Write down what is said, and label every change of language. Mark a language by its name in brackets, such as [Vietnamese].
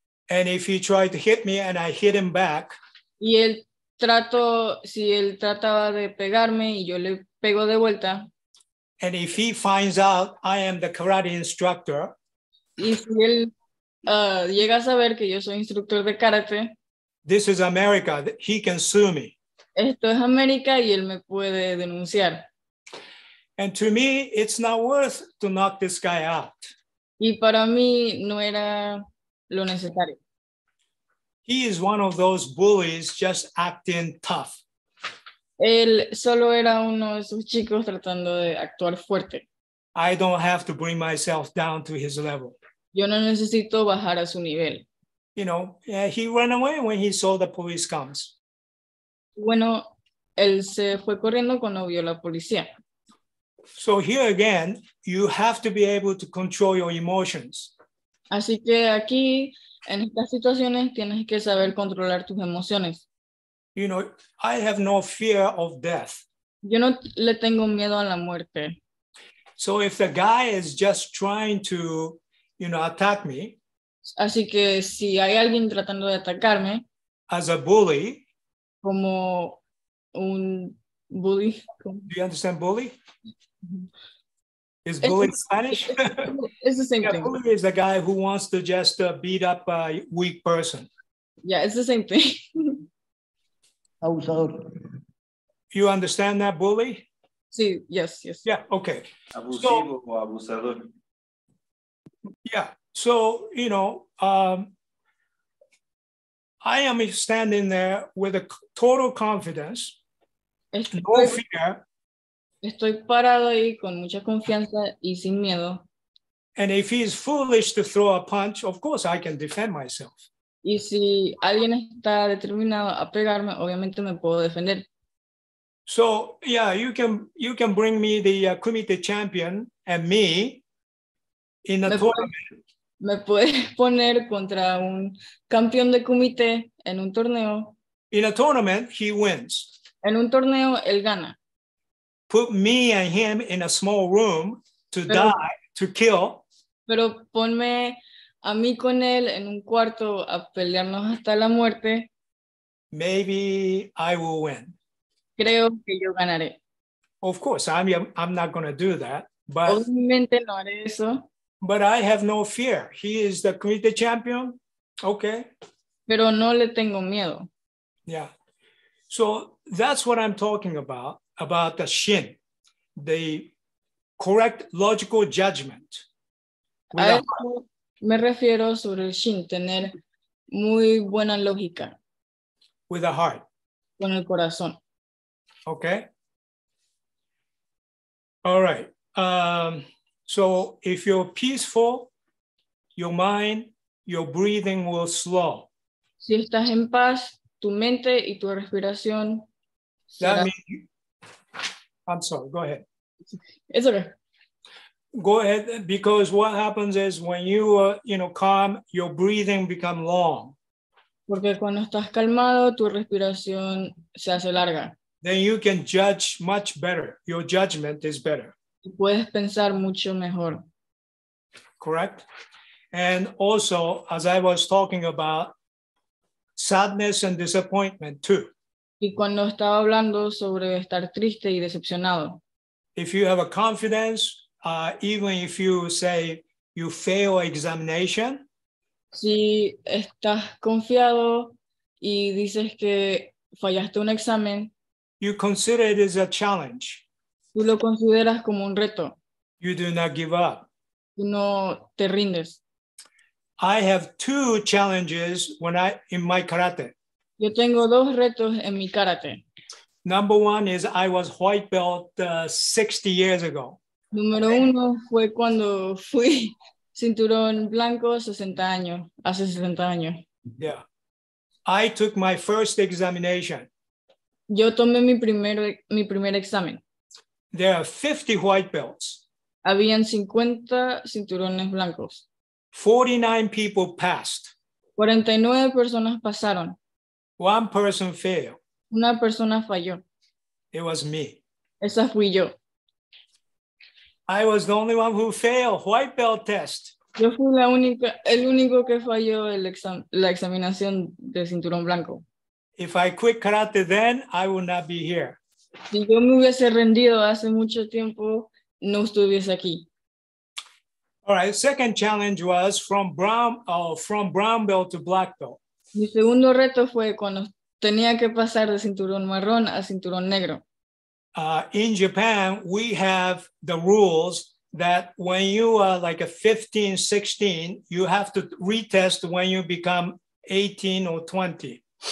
[English] and if he tried to hit me and I hit him back, [Spanish] y él trató, si él trataba de pegarme y yo le pego de vuelta, [English] and if he finds out I am the karate instructor, [Spanish] y si él llega a saber que yo soy instructor de karate, [English] this is America, he can sue me. [Spanish] Esto es América y él me puede denunciar. [English] And to me, it's not worth to knock this guy out. [Spanish] Y para mí no era lo necesario. [English] He is one of those bullies just acting tough. [Spanish] Él solo era uno de esos chicos tratando de actuar fuerte. [English] I don't have to bring myself down to his level. [Spanish] Yo no necesito bajar a su nivel. [English] You know, he ran away when he saw the police comes. [Spanish] Bueno, él se fue corriendo cuando vio la policía. [English] So here again, you have to be able to control your emotions. [Spanish] Así que aquí, en estas situaciones, tienes que saber controlar tus emociones. [English] You know, I have no fear of death. [Spanish] Yo no le tengo miedo a la muerte. [English] So if the guy is just trying to, you know, attack me. [Spanish] Así que si hay alguien tratando de atacarme. [English] As a bully. [Spanish] Como un bully. [English] Do you understand bully? Is bully it's Spanish? It's the same thing. A bully is a guy who wants to just beat up a weak person. Yeah, it's the same thing. [Spanish] Abusador. [English] You understand that, bully? [Spanish] Sí, [English] yes, yes. Yeah, okay. [Spanish] Abusivo o abusador. [English] Yeah, so, you know, I am standing there with a total confidence, no fear. [Spanish] Estoy parado ahí con mucha confianza y sin miedo. [English] And if he is foolish to throw a punch, of course I can defend myself. [Spanish] Y si alguien está determinado a pegarme, obviamente me puedo defender. [English] So, yeah, you can bring me the Kumite champion and me in the tournament. [Spanish] Me puedes poner contra un campeón de Kumite en un torneo. [English] In a tournament, he wins. [Spanish] En un torneo, él gana. [English] Put me and him in a small room to die, to kill. [Spanish] Pero ponme a mí con él en un cuarto a pelearnos hasta la muerte. [English] Maybe I will win. [Spanish] Creo que yo ganaré. [English] Of course, I'm not going to do that. But [Spanish] obviamente no haré eso. [English] But I have no fear. He is the Kumite champion. Okay. [Spanish] Pero no le tengo miedo. [English] Yeah. So that's what I'm talking about the shin, the correct logical judgment. [Spanish] A eso me refiero sobre el shin, tener muy buena lógica. [English] With the heart. [Spanish] Con el corazón. [English] Okay. All right. So if you're peaceful, your mind, your breathing will slow. [Spanish] Si estás en paz, tu mente y tu respiración será... [English] That means... I'm sorry, go ahead. It's okay. Go ahead, because what happens is when you you know, calm, your breathing become long. [Spanish] Porque cuando estás calmado, tu respiración se hace larga. [English] Then you can judge much better. Your judgment is better. [Spanish] Tú puedes pensar mucho mejor. [English] Correct. And also, as I was talking about, sadness and disappointment too. [Spanish] Y cuando estaba hablando sobre estar triste y decepcionado. [English] If you have a confidence, even if you say you fail examination. [Spanish] Si estás confiado y dices que fallaste un examen. [English] You consider it as a challenge. [Spanish] Tú lo consideras como un reto. [English] You do not give up. [Spanish] Tú no te rindes. [English] I have two challenges in my karate. [Spanish] Yo tengo dos retos en mi karate. [English] Number one is I was white belt 60 years ago. [Spanish] Número uno fue cuando fui cinturón blanco 60 años, hace 60 años. [English] Yeah. I took my first examination. [Spanish] Yo tomé mi primer examen. [English] There are 50 white belts. [Spanish] Habían 50 cinturones blancos. [English] 49 people passed. [Spanish] 49 personas pasaron. [English] One person failed. [Spanish] Una persona falló. [English] It was me. [Spanish] Esa fui yo. [English] I was the only one who failed white belt test. [Spanish] Yo fui el único que falló la examinación de cinturón blanco. [English] If I quit karate then, I would not be here. [Spanish] Si yo me hubiese rendido hace mucho tiempo, no estuviese aquí. [English] All right, second challenge was from brown belt to black belt. [Spanish] Mi segundo reto fue cuando tenía que pasar de cinturón marrón a cinturón negro. [English] In Japan, we have the rules that when you are like a 15, 16, you have to retest when you become 18 or 20.